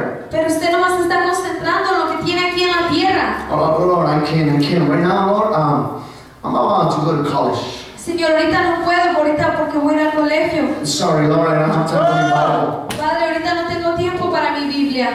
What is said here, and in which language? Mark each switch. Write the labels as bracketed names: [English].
[Spanish] Pero usted no más está concentrando en lo que tiene aquí en la tierra. [English] Lord, I can. Right now, Lord, I'm about to go to college. [Spanish] Señor, ahorita no puedo, ahorita porque voy al colegio. [English] Sorry, Lord, I don't have time for my Bible. [Spanish] Padre, ahorita no tengo tiempo para mi Biblia.